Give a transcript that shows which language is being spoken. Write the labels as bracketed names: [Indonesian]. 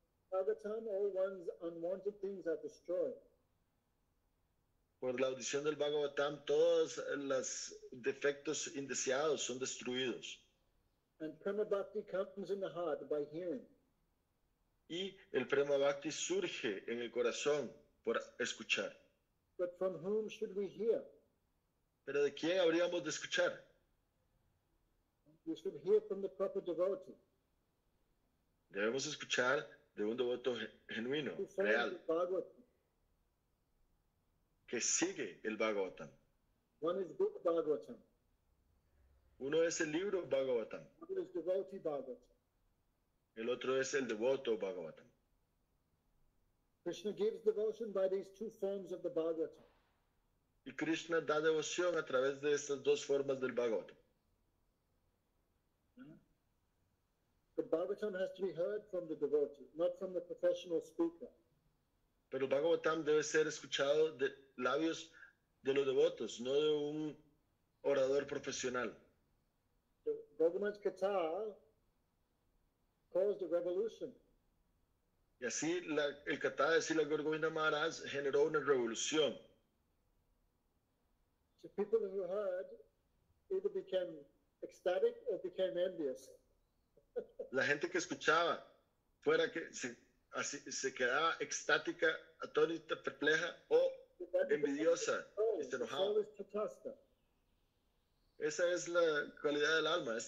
[English] Bhagavatam, all one's unwanted things are destroyed. [Spanish] Por la audición del Bhagavatam, todos los defectos indeseados son destruidos. [English] And Prema Bhakti comes in the heart by hearing. [Spanish] Y el Prema Bhakti surge en el corazón por escuchar. [English] But from whom should we hear? [Spanish] ¿Pero de quién habríamos de escuchar? [English] We should hear from the proper devotee. [Spanish] Debemos escuchar de un devoto genuino, real, que sigue el Bhagavatam. [English] One is book Bhagavatam. [Spanish] Uno es el libro Bhagavatam. [English] One is devotee Bhagavatam. [Spanish] El otro es el devoto Bhagavatam. [English] Krishna gives devotion by these two forms of the Bhagavatam. [Spanish] Y Krishna da devoción a través de estas dos formas del Bhagavatam. [English] The Bhagavatam has to be heard from the devotee, not from the professional speaker. [Spanish] Pero el Bhagavatam debe ser escuchado de labios de los devotos, no de un orador profesional. [English] The government's katha caused a revolution. [Spanish] Y así el katha de Sila Gurgovinda Maharaj generó una revolución. [English] The people who heard either became ecstatic or became envious. [Spanish] La gente que escuchaba fuera que se quedaba extática, atónita, perpleja o envidiosa y se enojaba. Esa es la cualidad del alma, es